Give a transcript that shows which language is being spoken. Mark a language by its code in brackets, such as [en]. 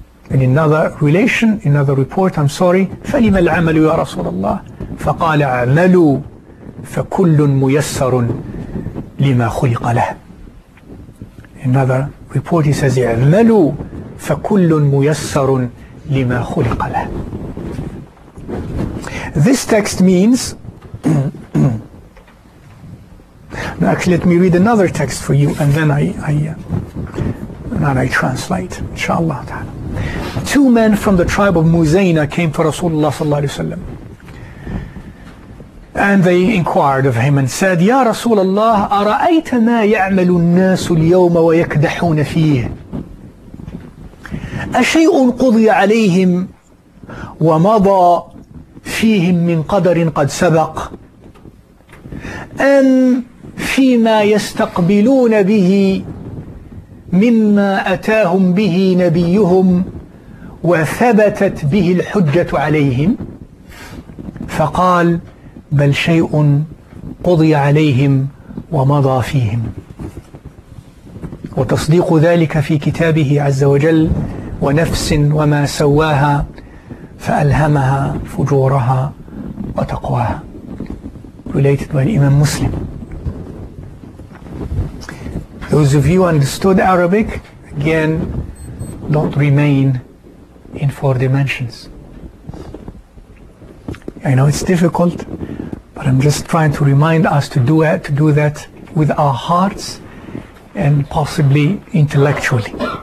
[en] In another relation, another report, I'm sorry, [ar] فَلِمَ الْعَمَلُ يَا رَسُولَ اللَّهِ فَقَالَ عَمَلُوا فَكُلٌ مُيَسَّرٌ لِمَا خُلِقَ لَهُ. [en] In another report, he says, [ar] عَمَلُوا فَكُلٌ مُيَسَّرٌ لِمَا خُلِقَ لَهُ. [en] This text means, now actually let me read another text for you, and then I translate, inshallah ta'ala. Two men from the tribe of Muzayna came to Rasulullah sallallahu alayhi wa sallam. And they inquired of him and said, [ar] Ya Rasulullah, أَرَأَيْتَ مَا يَعْمَلُ النَّاسُ الْيَوْمَ وَيَكْدَحُونَ فِيهِ أَشَيْءٌ قُضِيَ عَلَيْهِمْ وَمَضَى فِيهِمْ مِنْ قَدَرٍ قَدْ سَبَقْ أَمْ فِيمَا يَسْتَقْبِلُونَ بِهِ مما أتاهم به نبيهم وثبتت به الحجة عليهم. فقال بل شيء قضي عليهم ومضى فيهم وتصديق ذلك في كتابه عز وجل ونفس وما سواها فألهمها فجورها وتقواها. [en] Related by Imam Muslim. Those of you understood Arabic, again don't remain in four dimensions. I know it's difficult, but I'm just trying to remind us to do that with our hearts and possibly intellectually.